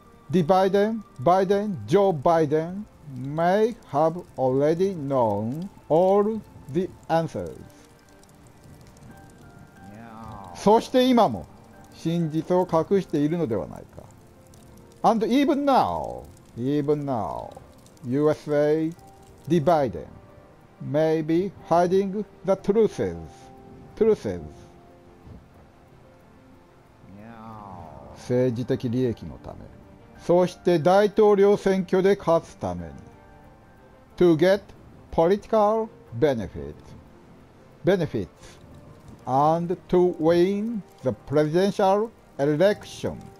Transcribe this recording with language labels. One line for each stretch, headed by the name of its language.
English: The Joe Biden may have already known all the answers.
Japanese: そして今も真実を隠しているのではないか。
English: And even now, USA, the Biden may be hiding the truths.
Japanese: 政治的利益のため、そして大統領選挙で勝つために。
English: To get political benefits and to win the presidential election.